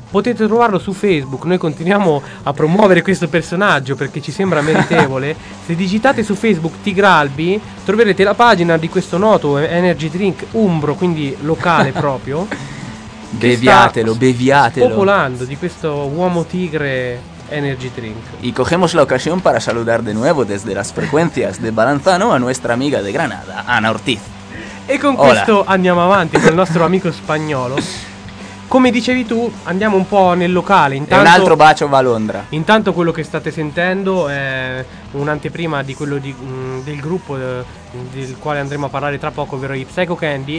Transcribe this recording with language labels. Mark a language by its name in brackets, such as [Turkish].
[Italian] Potete trovarlo su Facebook, noi continuiamo a promuovere questo personaggio perché ci sembra meritevole. Se digitate su Facebook Tigraldi troverete la pagina di questo noto energy drink umbro, quindi locale proprio. Beviatelo, beviatelo. Popolando di questo uomo tigre energy drink. [Spanish] Y cogemos la ocasión para saludar de nuevo desde las frecuencias de Balanzano a nuestra amiga de Granada, Ana Ortiz. [Italian] E con Hola. Questo andiamo avanti con il nostro amico spagnolo. Come dicevi tu, andiamo un po' nel locale. Intanto, un altro bacio va a Londra. Intanto quello che state sentendo è un'anteprima di quello del gruppo del quale andremo a parlare tra poco, ovvero i Psycho Candy.